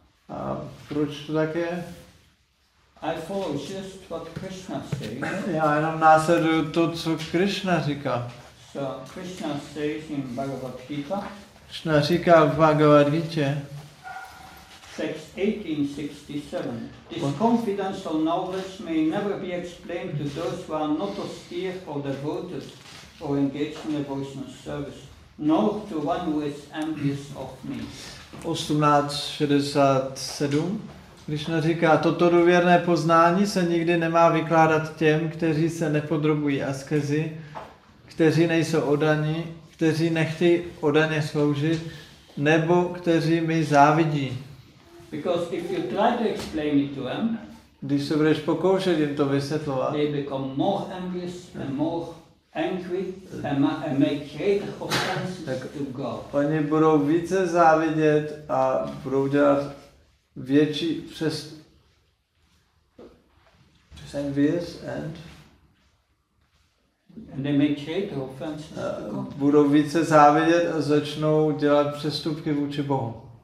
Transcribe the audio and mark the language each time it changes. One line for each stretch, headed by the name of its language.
Czech: A proč to tak je?
English: I follow just what Krishna says.
Czech: Já jenom následuju to, co Krishna říká.
English: So Krishna says in Bhagavad Gita.
Czech: Krishna říká v Bhagavad Gita. 1867.
English: This confidential knowledge may never be explained to those who are not austere or devoted or engaged in devotional service, nor to one who is envious of me. 1867.
Czech: Krishna říká, toto důvěrné poznání se nikdy nemá vykládat těm, kteří se nepodrobují askezi, kteří nejsou oddaní, kteří nechtějí oddaně sloužit, nebo kteří mi závidí.
English: Because if you try to explain it to them,
Czech: když se budeš pokoušet jim to vysvětlovat,
English: they become more envious and more angry and make greater offenses to God.
Czech: Oni budou více závidět a budou dělat větší envious
English: and they make great offenses to God.
Czech: Budou více závidět a začnou dělat přestupky vůči Bohu.